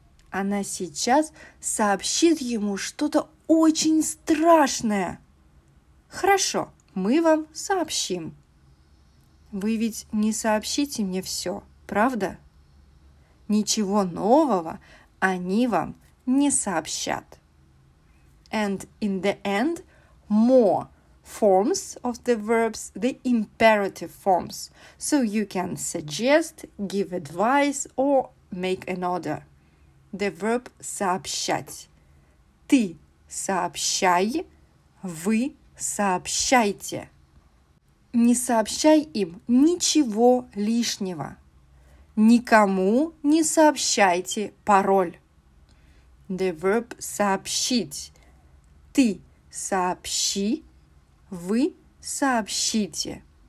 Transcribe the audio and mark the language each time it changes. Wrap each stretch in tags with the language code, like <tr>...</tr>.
<ru>Она сейчас сообщит ему что-то очень страшное. Хорошо, мы вам сообщим. Вы ведь не сообщите мне все, правда? Ничего нового они вам не сообщат.</ru> <en>And in the end, more forms of the verbs, the imperative forms. So you can suggest, give advice or make an order. The verb сообщать.</en> <ru>Ты сообщай, вы сообщайте. Не сообщай им ничего лишнего. Никому не сообщайте пароль.</ru> <en>The verb</en> <ru>сообщить. Ты сообщи, вы сообщите.</ru>